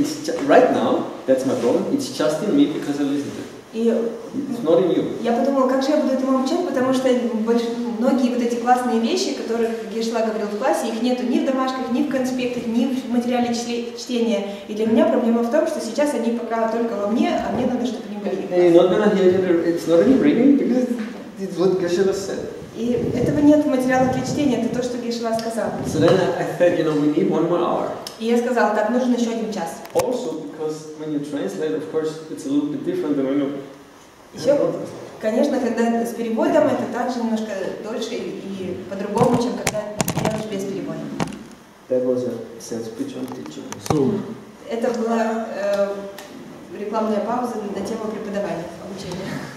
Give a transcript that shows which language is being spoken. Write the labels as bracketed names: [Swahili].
[English] It's right now, that's my problem, it's just in me because I listened to it. It's not in you. [Russian] Я подумала, как же я буду этому обучать, потому что многие вот эти классные вещи, о которых Geshe-la говорил в классе, их нету ни в домашках, ни в конспектах, ни в материале чтения. И для меня проблема в том, что сейчас они пока только во мне, а мне надо, чтобы они были. [English] It's not in your reading, because it's what Geshe-la said. [Russian] И этого нет в материалах для чтения, это то, что Geshe-la сказал. [English] So then I said, you know, we need one more hour. [Russian] И я сказала, так, нужен еще один час. [English] Also, because when you translate, of course, it's a little bit different than when you... [Russian] Еще, конечно, когда с переводом, это также немножко дольше и по-другому, чем когда делаешь без перевода. [English] That was a sales pitch on teaching. So... [Russian] Это была рекламная пауза на тему преподавания, обучения.